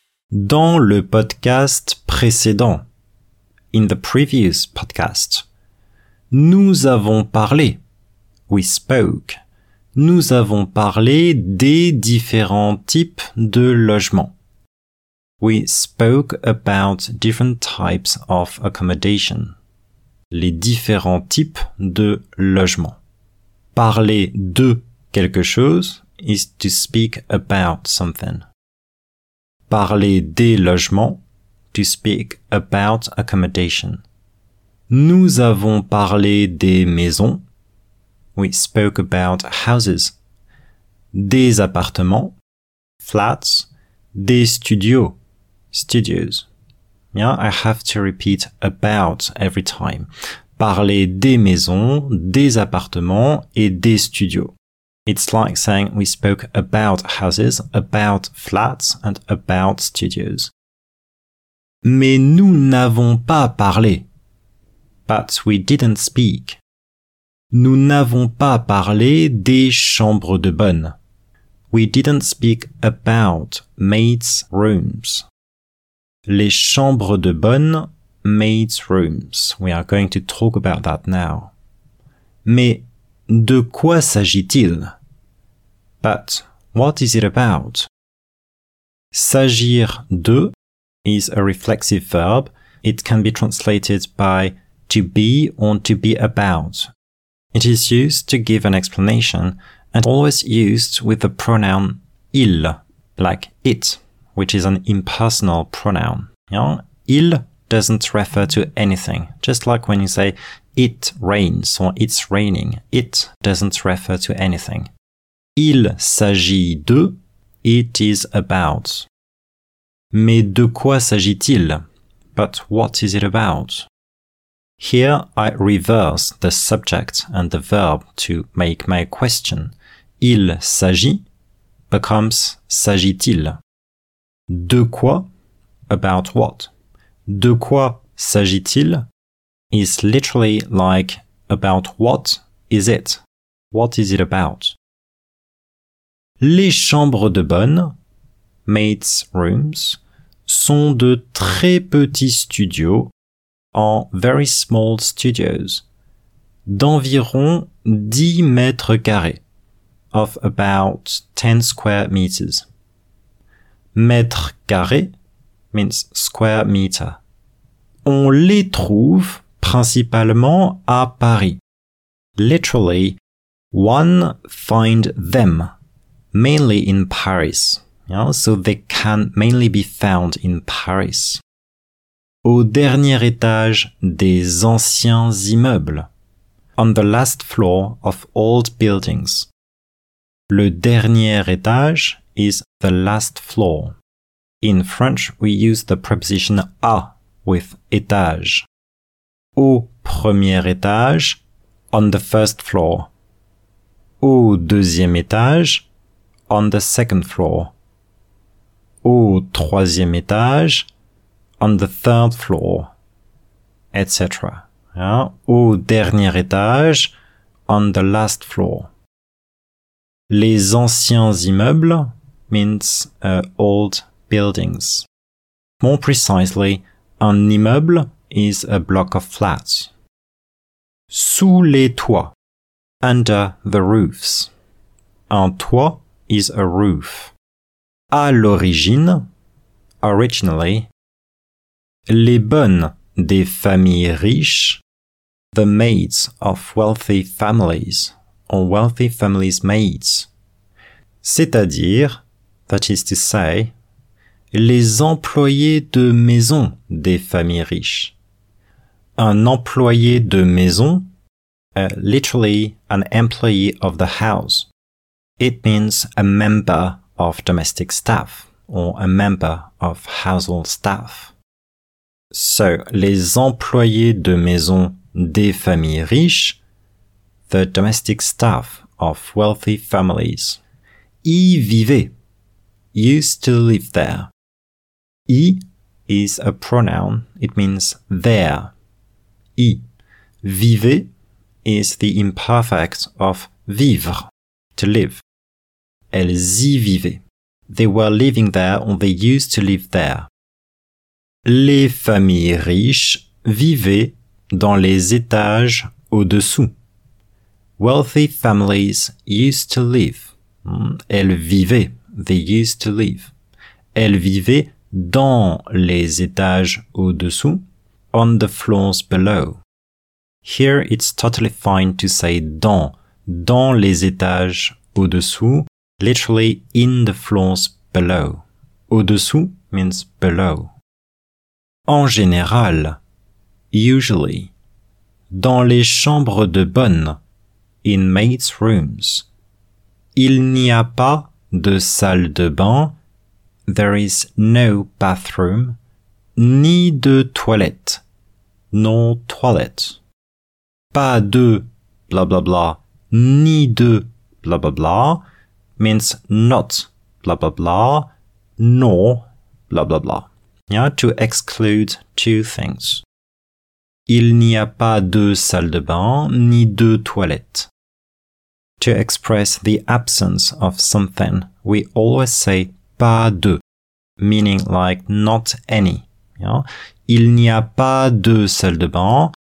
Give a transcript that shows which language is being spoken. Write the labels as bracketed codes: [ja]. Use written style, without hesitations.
[fr] Dans le podcast précédent, [en] in the previous podcast, [fr] nous avons parlé, [en] we spoke, [fr] nous avons parlé des différents types de logements. [en] We spoke about different types of accommodation. [fr] Les différents types de logements. Parler de quelque chose [en] is to speak about something. [fr] Parler des logements, [en] to speak about accommodation. [fr] Nous avons parlé des maisons. [en] We spoke about houses, [fr] des appartements, [en] flats, [fr] des studios, [en] studios. Yeah, I have to repeat about every time. [fr] Parler des maisons, des appartements et des studios. [en] It's like saying we spoke about houses, about flats, and about studios. [fr] Mais nous n'avons pas parlé. [en] But we didn't speak. [fr] Nous n'avons pas parlé des chambres de bonne. [en] We didn't speak about maids' rooms. [fr] Les chambres de bonne, [en] maids' rooms. We are going to talk about that now. [fr] Mais de quoi s'agit-il? [en] But what is it about? [fr] S'agir de [en] is a reflexive verb. It can be translated by to be or to be about. It is used to give an explanation and always used with the pronoun il, like it, which is an impersonal pronoun. Yeah? Il doesn't refer to anything, just like when you say it rains or it's raining. It doesn't refer to anything. [fr] Il s'agit de, [en] it is about. [fr] Mais de quoi s'agit-il? [en] But what is it about? Here I reverse the subject and the verb to make my question. [fr] Il s'agit becomes s'agit-il. De quoi? [en] About what? [fr] De quoi s'agit-il? [en] Is literally like about what is it? What is it about? [fr] Les chambres de bonne, [en] maids' rooms, [fr] sont de très petits studios, [en] are very small studios, [fr] d'environ 10 mètres carrés, [en] of about 10 square meters. [fr] Mètre carré [en] means square meter. [fr] On les trouve principalement à Paris. [en] Literally, one find them. Mainly in Paris, yeah? So they can mainly be found in Paris. [fr] Au dernier étage des anciens immeubles. [en] On the last floor of old buildings. [fr] Le dernier étage [en] is the last floor. In French, we use the preposition à with étage. [fr] Au premier étage, [en] on the first floor. [fr] Au deuxième étage, [en] on the second floor. [fr] Au troisième étage, [en] on the third floor, etc. Hein? [fr] Au dernier étage, [en] on the last floor. [fr] Les anciens immeubles [en] means old buildings. More precisely, un immeuble is a block of flats. [fr] Sous les toits, [en] under the roofs. [fr] Un toit [en] is a roof. [fr] À l'origine, [en] originally, [fr] les bonnes des familles riches, [en] the maids of wealthy families, or wealthy families' maids. [fr] C'est-à-dire, [en] that is to say, [fr] les employés de maison des familles riches. Un employé de maison, [en] literally, an employee of the house. It means a member of domestic staff or a member of household staff. [fr] So, les employés de maison des familles riches, [en] the domestic staff of wealthy families, [fr] y vivaient, [en] used to live there. [fr] Y [en] is a pronoun, it means there. [fr] Y vivaient [en] is the imperfect of vivre, to live. [fr] Elles y vivaient. [en] They were living there or they used to live there. [fr] Les familles riches vivaient dans les étages au-dessous. [en] Wealthy families used to live. [fr] Elles vivaient. [en] They used to live. [fr] Elles vivaient dans les étages au-dessous. [en] On the floors below. Here it's totally fine to say dans. [fr] Dans les étages au-dessous. [en] Literally, in the floors below. [fr] Au-dessous [en] means below. [fr] En général, [en] usually. [fr] Dans les chambres de bonne, [en] in maids' rooms. [fr] Il n'y a pas de salle de bain. [en] There is no bathroom. [fr] Ni de toilette. [en] No toilette. [fr] Pas de blah blah blah. Ni de [en] blah, blah, blah means not blah, blah, blah, nor blah, blah, blah. Yeah, to exclude two things. [fr] Il n'y a pas de salle de bain ni de toilette. [en] To express the absence of something, we always say pas de, meaning like not any. Yeah? [fr] Il n'y a pas de salle de bain.